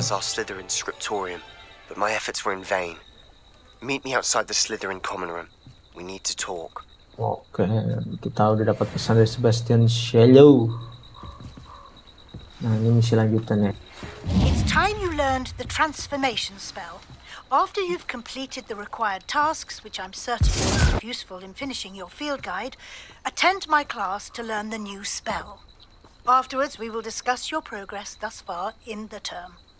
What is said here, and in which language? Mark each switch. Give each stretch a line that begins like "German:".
English: Salazar Slytherin Scriptorium, but my efforts were in vain. Meet me outside the Slytherin common room. We need to talk.
Indonesian: Oke, kita udah dapat pesan dari Sebastian Shallow. Nah, ini misi lanjutannya.
English: It's time you learned the transformation spell. After you've completed the required tasks, which I'm certain will be useful in finishing your field guide, attend my class to learn the new spell. Afterwards, we will discuss your progress thus far in the term.